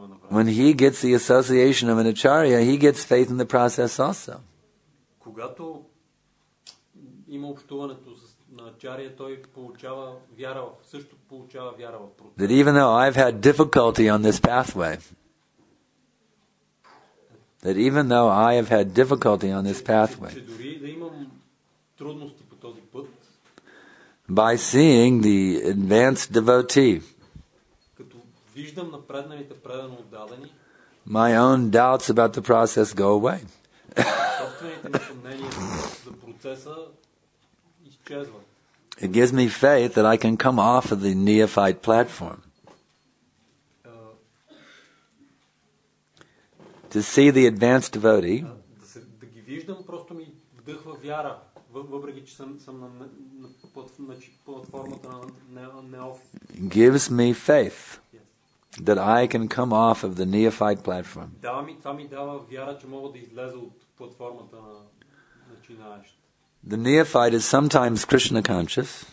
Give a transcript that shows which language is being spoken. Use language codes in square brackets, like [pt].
[en] When he gets the association of an acharya, he gets faith in the process also. [bg] Когато има общуването на ачария, той получава вяра, също получава вяра в процеса. [en] That even though I've had difficulty on this pathway, [bg] че дори да имам трудности по този път, [en] by seeing the advanced devotee, [bg] като виждам напредналите предано отдадени, [en] my own doubts about the process go away. [bg] Собствените ми съмнения за процеса изчезват. [en] It gives me faith that I can come off of the neophyte platform. To see the advanced devotee. [bg] Да ги виждам, просто ми вдъхва вяра, въпреки че съм на платформата на неофит. [en] Gives me faith that I can come off of the neophyte platform. [bg] Това ми дава вяра, че мога да излеза от платформата на начинаещ. [en] The neophyte is sometimes Krishna conscious.